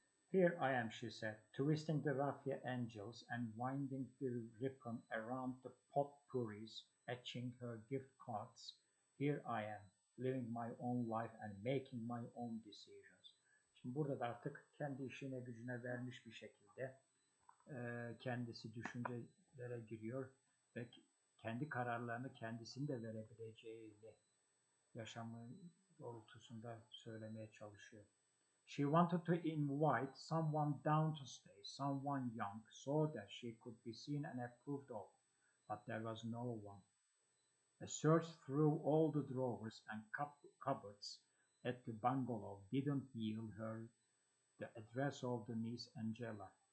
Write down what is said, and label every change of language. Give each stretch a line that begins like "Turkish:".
English: "Here I am," she said, twisting the raffia angels and winding the ribbon around the potpourris, etching her gift cards. "Here I am, living my own life and making my own decisions."
Turkish: Şimdi burada da artık kendi işine gücüne vermiş bir şekilde kendisi düşüncelere giriyor ve kendi kararlarını kendisinin de verebileceğini yaşamı doğrultusunda söylemeye çalışıyor.
English: She wanted to invite someone down to stay, someone young, so that she could be seen and approved of, but there was no one. A search through all the drawers and cupboards at the bungalow didn't yield her the address of the niece Angela.